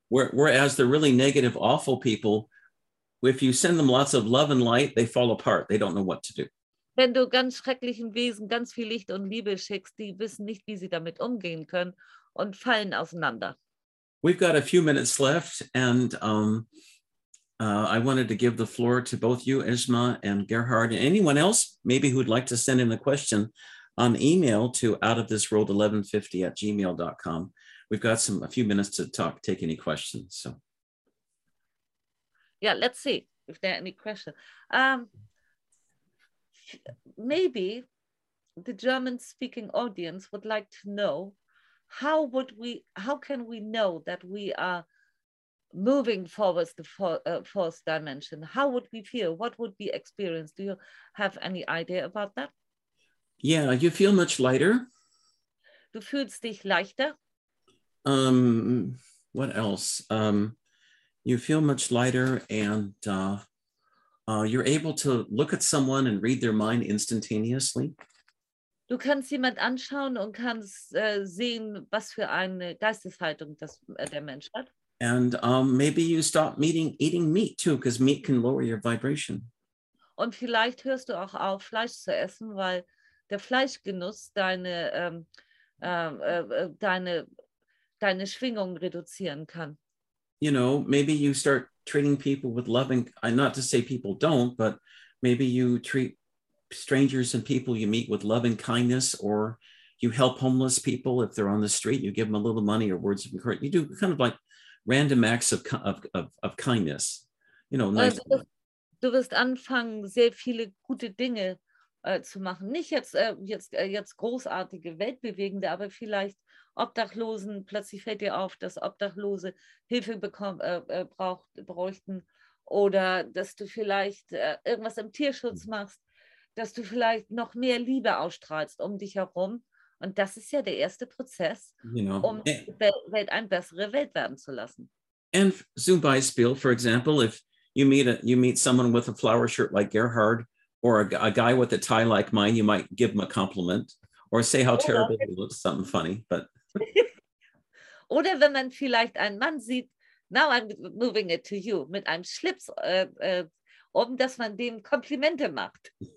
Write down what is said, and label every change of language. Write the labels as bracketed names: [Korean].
[English] Whereas the really negative, awful people, if you send them lots of love and light, they fall apart. They don't know what to do. [German] Wenn du ganz schrecklichen Wesen ganz viel Licht und Liebe schickst, die wissen nicht, wie sie damit umgehen können und fallen auseinander. [English] We've got a few minutes left and I wanted to give the floor to both you, Isma, and Gerhard, and anyone else maybe who'd like to send in a question on email to outofthisworld1150@gmail.com. We've got a few minutes to talk, take any questions. So. Yeah, let's see if there are any questions. Maybe the German-speaking audience would like to know how can we know that we are moving forward the fourth dimension? How would we feel? What would we experience? Do you have any idea about that? Yeah, you feel much lighter. [German] Du fühlst dich leichter. [English] What else? You feel much lighter and you're able to look at someone and read their mind instantaneously. [German] Du kannst jemand anschauen und kannst sehen, was für eine Geisteshaltung der Mensch hat. [English] And maybe you stop eating meat too, because meat can lower your vibration. [German] Und vielleicht hörst du auch auf, Fleisch zu essen, weil der Fleischgenuss deine Schwingung reduzieren kann. [English] You know, maybe you start treating people with love and not to say people don't, but maybe you treat strangers and people you meet with love and kindness, or you help homeless people if they're on the street, you give them a little money or words of encouragement. You do kind of like random acts of kindness, you know. Nice. [German] Du wirst anfangen, sehr viele gute Dinge zu machen. Nicht jetzt großartige, weltbewegende, aber vielleicht Obdachlosen, plötzlich fällt dir auf, dass Obdachlose Hilfe bräuchten oder dass du vielleicht irgendwas im Tierschutz machst, dass du vielleicht noch mehr Liebe ausstrahlst um dich herum. Und das ist ja der erste Prozess, um die Welt eine bessere Welt werden zu lassen. [English] And [German] zum Beispiel, [English] for example, if you meet someone with a flower shirt like Gerhard or a guy with a tie like mine, you might give him a compliment or say how terrible he looks, something funny, but [German] oder wenn man vielleicht einen Mann sieht, [English] now I'm moving it to you, [German] mit einem Schlips, dass man dem Komplimente macht.